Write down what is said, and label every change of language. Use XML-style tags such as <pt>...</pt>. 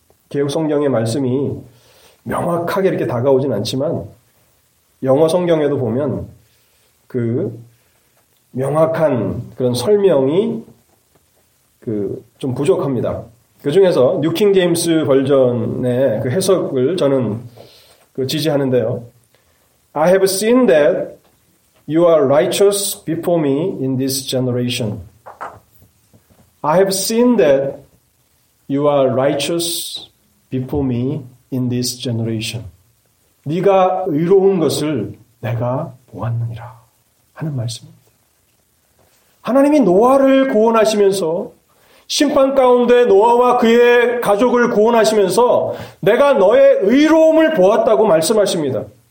<ko>개역 성경의 말씀이 명확하게 이렇게 다가오진 않지만 영어 성경에도 보면 그 명확한 그런 설명이 그 좀 부족합니다. 그 중에서 뉴킹 제임스 버전의 그 해석을 저는 그 지지하는데요.</ko> <en>I have seen that you are righteous before me in this generation. I have seen that you are righteous before me in this generation.</en> <ko>네가 의로운 것을 내가 보았느니라 하는 말씀입니다. 하나님이 노아를 구원하시면서 심판 가운데 노아와 그의 가족을 구원하시면서 내가 너의 의로움을 보았다고 말씀하십니다.</ko>